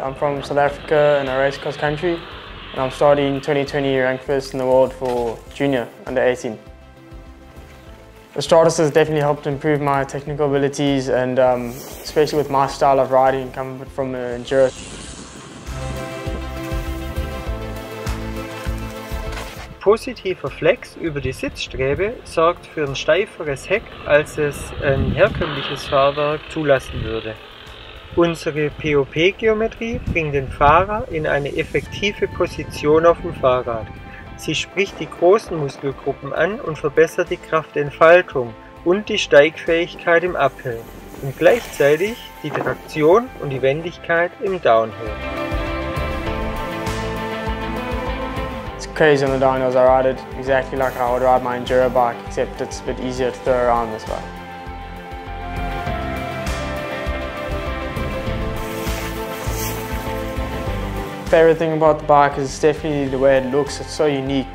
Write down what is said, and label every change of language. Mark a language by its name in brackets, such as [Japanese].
[English] I'm from South Africa in a race cross country. And I'm starting 2020 ranked first in the world for junior under 18. The Stratos has definitely helped improve my technical abilities and especially with my style of riding coming from an enduro. [German] Positiver Flex über die Sitzstrebe sorgt für ein steiferes Heck, als es ein herkömmliches Fahrwerk zulassen würde. Unsere POP-Geometrie bringt den Fahrer in eine effektive Position auf dem Fahrrad. Sie spricht die großen Muskelgruppen an und verbessert die Kraftentfaltung und die Steigfähigkeit im Uphill und gleichzeitig die Traktion und die Wendigkeit im Downhill. [English] Crazy on the downhills, I ride it exactly like I would ride my enduro bike, except it's a bit easier to throw around this way. Favorite thing about the bike is definitely the way it looks. It's so unique.